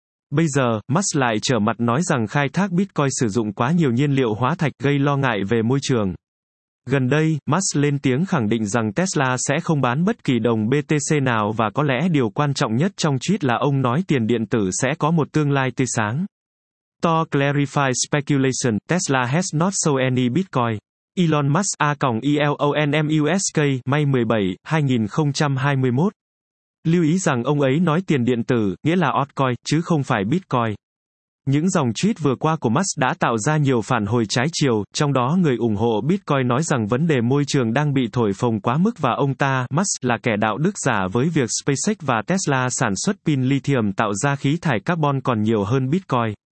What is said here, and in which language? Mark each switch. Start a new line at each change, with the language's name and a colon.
Vietnamese: Bây giờ, Musk lại trở mặt nói rằng khai thác Bitcoin sử dụng quá nhiều nhiên liệu hóa thạch gây lo ngại về môi trường. Gần đây, Musk lên tiếng khẳng định rằng Tesla sẽ không bán bất kỳ đồng BTC nào và có lẽ điều quan trọng nhất trong tweet là ông nói tiền điện tử sẽ có một tương lai tươi sáng.
English: To clarify speculation, Tesla has not sold any Bitcoin. Elon Musk A-ELONMUSK, May 17, 2021.
Vietnamese: Lưu ý rằng ông ấy nói tiền điện tử, nghĩa là altcoin, chứ không phải Bitcoin. Những dòng tweet vừa qua của Musk đã tạo ra nhiều phản hồi trái chiều, trong đó người ủng hộ Bitcoin nói rằng vấn đề môi trường đang bị thổi phồng quá mức và ông ta, Musk, là kẻ đạo đức giả với việc SpaceX và Tesla sản xuất pin lithium tạo ra khí thải carbon còn nhiều hơn Bitcoin.